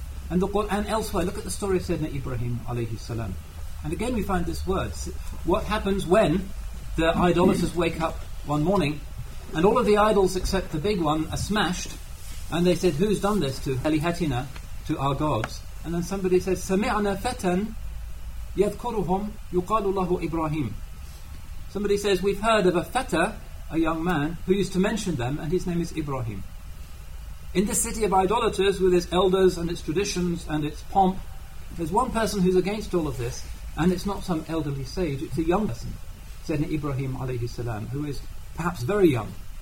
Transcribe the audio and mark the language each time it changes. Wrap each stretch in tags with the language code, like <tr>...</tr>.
<en>And the Quran elsewhere, look at the story of Sayyidina Ibrahim alayhi salam. And again we find this word. What happens when the idolaters wake up one morning and all of the idols except the big one are smashed, and they said, who's done this to Elihatina, to our gods?</en> <ar>And then somebody says, سَمِعْنَا فَتَنْ يَذْكُرُهُمْ يُقَالُ لَهُ إِبْرَاهِيمُ.</ar> <en>Somebody says, we've heard of a feta, a young man, who used to mention them, and his name is Ibrahim. In this city of idolaters, with its elders and its traditions and its pomp, there's one person who's against all of this, and it's not some elderly sage, it's a young person, Sayyidina Ibrahim alayhi salam, who is perhaps very young.</en>